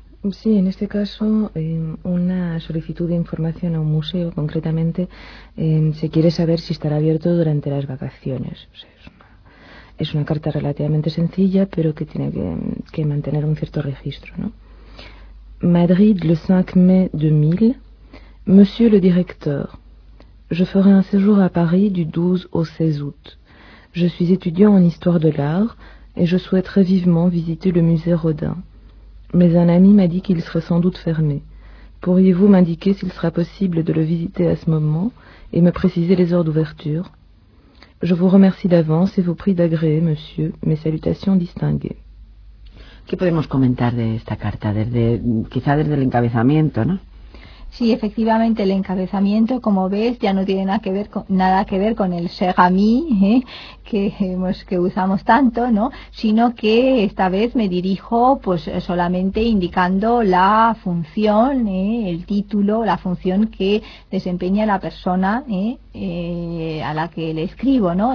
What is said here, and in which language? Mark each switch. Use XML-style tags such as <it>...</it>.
<es>Sí, en este caso, una solicitud de información a un museo, concretamente, se quiere saber si estará abierto durante las vacaciones. O sea, es una carta relativamente sencilla, pero que tiene que mantener un cierto registro, ¿no?</es> <fr>Madrid, le 5 mai 2000. Monsieur le directeur, je ferai un séjour à Paris du 12 au 16 août. Je suis étudiant en histoire de l'art et je souhaiterais vivement visiter le musée Rodin. Mais un ami m'a dit qu'il serait sans doute fermé. Pourriez-vous m'indiquer s'il sera possible de le visiter à ce moment et me préciser les heures d'ouverture? Je vous remercie d'avance et vous prie d'agréer, monsieur, mes salutations distinguées.</fr> <es>¿Qué podemos comentar de esta carta? Quizá desde el encabezamiento, ¿no? Sí, efectivamente, el encabezamiento, como ves, ya no tiene nada que ver con el</es> <fr>cher ami,</fr> <es>que usamos tanto, ¿no? Sino que esta vez me dirijo pues solamente indicando la función, el título, la función que desempeña la persona a la que le escribo, ¿no?</es>